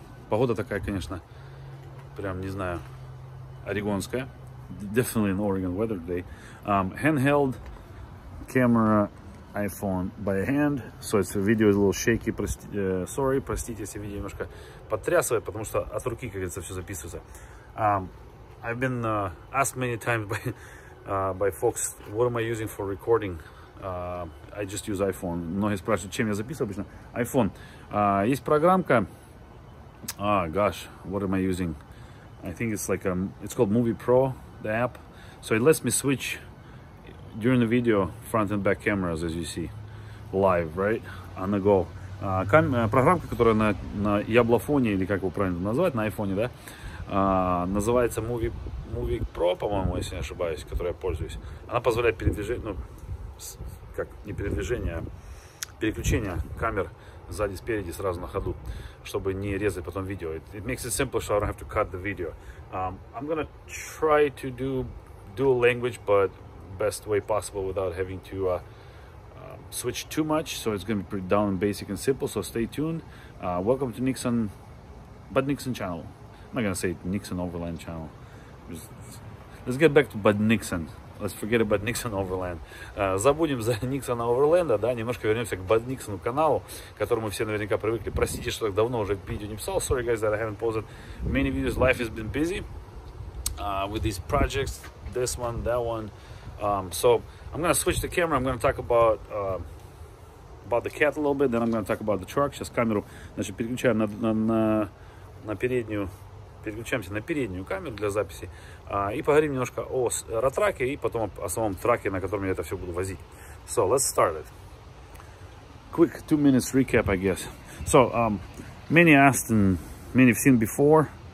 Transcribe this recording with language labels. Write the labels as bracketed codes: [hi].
[ru] Погода такая, конечно, прям, не знаю, орегонская. [en] Definitely an Oregon weather day. Handheld camera iPhone by hand. So it's video is a little shaky. [ru] Простите, если видео немножко потрясывает, потому что от руки, как говорится, все записывается. [en] I've been asked many times by folks, what am I using for recording? I just use iPhone. [ru] Многие спрашивают, чем я записываю обычно? [en] iPhone. [ru] Есть программка. [en] Gosh, what am I using? I think it's called Movie Pro, the app. So it lets me switch during the video front and back cameras, as you see, live, right? On the go. [ru] Программка, которая на яблофоне, или как его правильно назвать, на iPhone, да? Называется Movie Pro, по-моему, если не ошибаюсь, которой я пользуюсь. Она позволяет передвижение, ну, как не передвижение, а переключение камер сзади, спереди, сразу на ходу, чтобы не резать потом видео. [en] It makes it simple, so I don't have to cut the video. I'm gonna try to do dual language, but best way possible without having to switch too much. So it's gonna be pretty down and basic and simple. So stay tuned. Welcome to Nixon, Bud Nixon channel. I'm not gonna say Nixon Overland channel. Let's get back to Bud Nixon. Let's forget about Nixon Overland. [ru] Забудем за Nixon Overland, да, немножко вернемся к Bud Nixon каналу, к которому все наверняка привыкли. Простите, что так давно уже видео не писал. [en] Sorry guys that I haven't posted many videos. Life has been busy with these projects, this one, that one. So I'm gonna switch the camera. I'm gonna talk about the cat a little bit. Then I'm gonna talk about the truck. [ru] Сейчас камеру, значит, переключаем на переднюю. Переключаемся на переднюю камеру для записи и поговорим немножко о ротраке и потом о самом траке, на котором я это все буду возить. [en] So, let's start it. Quick 2 minutes recap, I guess. So, many asked and many have seen before.